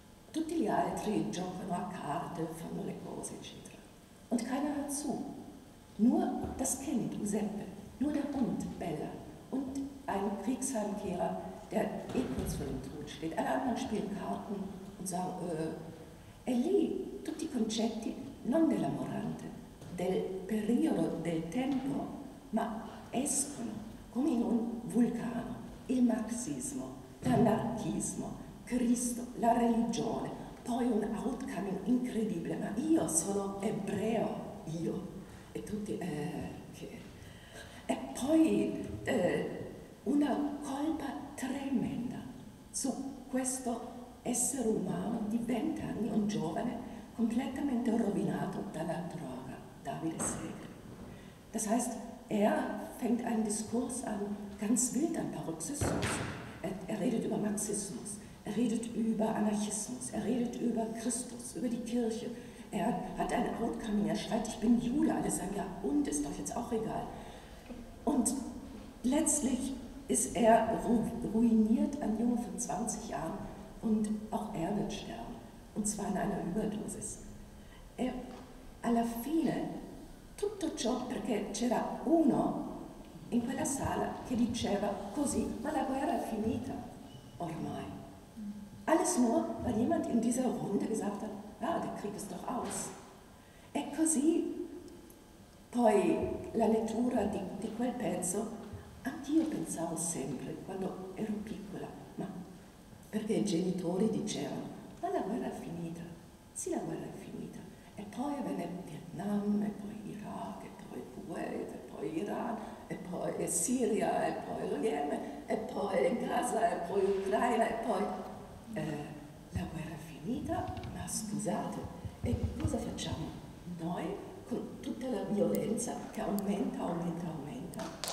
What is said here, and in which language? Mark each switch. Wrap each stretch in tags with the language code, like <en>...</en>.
<it>Tutti gli altri giocano a carte, fanno le cose, eccetera.</it> <de>Und keiner hört zu. Nur das Kind, Giuseppe, nur der Hund, Bella, und ein Kriegsheimkehrer, der eh kurz vor dem Tod steht. Alle anderen spielen Karten und sagen,</de> <it>E lì tutti i concetti, non della Morante, del periodo, del tempo, ma escono come in un vulcano. Il marxismo, l'anarchismo, Cristo, la religione, poi un outcome incredibile, ma io sono ebreo, io, e tutti, che... E poi una colpa tremenda su questo essere umano di 20 anni, un giovane, completamente rovinato dalla droga. Davide Segre.</it> <de>Das heißt, er fängt einen Diskurs an, ganz wild, ein Paroxysmus. Er redet über Marxismus, er redet über Anarchismus, er redet über Christus, über die Kirche. Er hat ein Outcoming, er schreit, ich bin Jude, alle sagen, ja, und ist doch jetzt auch egal. Und letztlich ist er ruiniert, ein Junge von 20 Jahren, und auch er wird sterben, und zwar in einer Überdosis.</de> <it>E alla fine, tutto ciò perché c'era uno in quella sala che diceva così, ma la guerra è finita ormai.</it> <de>Alles nur, weil jemand in dieser Runde gesagt hat, ja, der Krieg ist doch aus.</de> <it>E così, poi la lettura di quel pezzo, anch'io pensavo sempre, quando ero piccola, ma perché i genitori dicevano, ma la guerra è finita, sì la guerra è finita. E poi venne Vietnam, e poi Iraq, e poi Kuwait, e poi Iran, e poi Siria, e poi lo Yemen, e poi Gaza, e poi Ucraina, e poi la guerra è finita, ma scusate, e cosa facciamo noi con tutta la violenza che aumenta, aumenta, aumenta?</it>